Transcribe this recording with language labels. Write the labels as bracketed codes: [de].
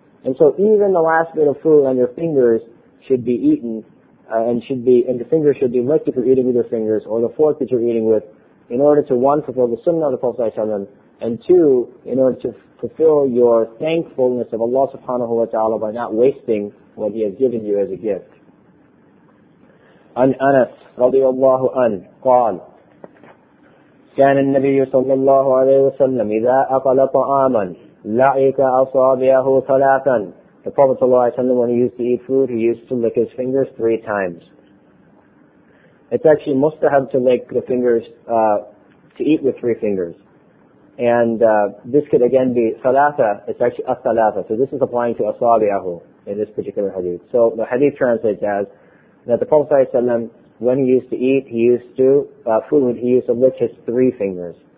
[en] And so even the last bit of food on your fingers should be eaten and the fingers should be licked if you're eating with your fingers, or the fork that you're eating with, in order to, one, fulfill the sunnah of the Prophet, and two, in order to fulfill your thankfulness of Allah subhanahu wa ta'ala by not wasting what He has given you as a gift. [ar] عن أنس رضي الله عنه قال كان النبي صلى الله عليه وسلم إذا أكل طعاما لعك أصابعه ثلاثا [en] The Prophet ﷺ, when he used to eat food, he used to lick his fingers 3 times. It's actually mustahab to lick the fingers, to eat with 3 fingers. And this could again be salata, it's actually as-salata. So this is applying to asabi'ahu in this particular hadith. So the hadith translates as that the Prophet ﷺ, when he used to eat, he used to, food, he used to lick his 3 fingers.